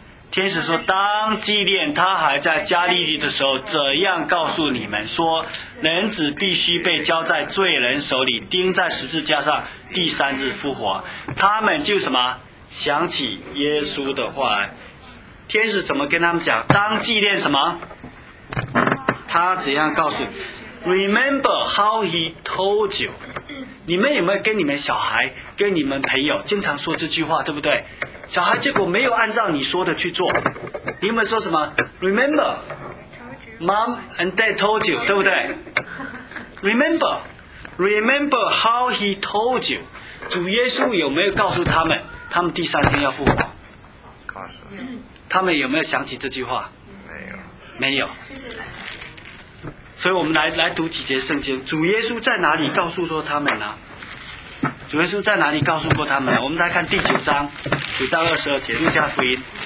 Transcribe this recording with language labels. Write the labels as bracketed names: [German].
[Chinese] 天使说当纪念他还在加利利的时候怎样告诉你们说人子必须被交在罪人手里钉在十字架上第三日复活。他们就什么想起耶稣的话。天使怎么跟他们讲当纪念什么？他怎样告诉你 [English] Remember how he told you。 [Chinese] 你们有没有跟你们小孩跟你们朋友经常说这句话，对不对？小孩结果没有按照你说的去做，你们说什么 ？ [English] Remember, mom and dad told you， [Chinese] 对不对 ？ [English] Remember, remember how he told you。 [Chinese] 主耶稣有没有告诉他们，他们第三天要复活？告诉。他们有没有想起这句话？没有。没有。所以我们来读几节圣经。主耶稣在哪里告诉说他们呢？主耶稣在哪里告诉过他们？我们来看第九章，九章二十二节，路加福音。